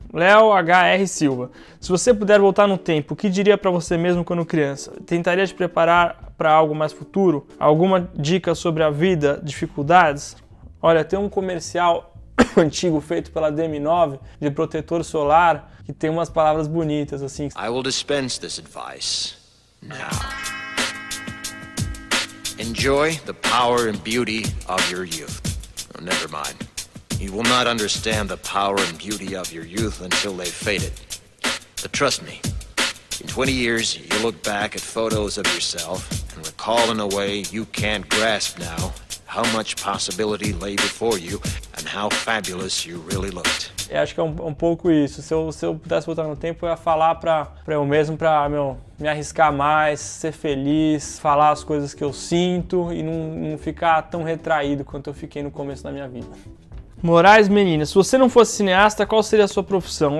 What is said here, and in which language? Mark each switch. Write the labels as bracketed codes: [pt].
[pt] Léo HR Silva. Se você puder voltar no tempo, o que diria pra você mesmo quando criança? Tentaria te preparar para algo mais futuro? Alguma dica sobre a vida, dificuldades? Olha, tem um comercial antigo feito pela DM9 de protetor solar que tem umas palavras bonitas assim. [en] I will dispense this advice now. Enjoy the power and beauty of your youth. Oh, never mind. You will not understand the power and beauty of your youth until they've faded. But trust me. In 20 years, you look back at photos of yourself and recall in a way you can't grasp now how much possibility lay before you and how fabulous you really looked. [pt] Eu acho que é um pouco isso. Se eu pudesse voltar no tempo, eu ia falar pra eu mesmo, pra me arriscar mais, ser feliz, falar as coisas que eu sinto e não ficar tão retraído quanto eu fiquei no começo da minha vida. Moraes, menina, se você não fosse cineasta, qual seria a sua profissão?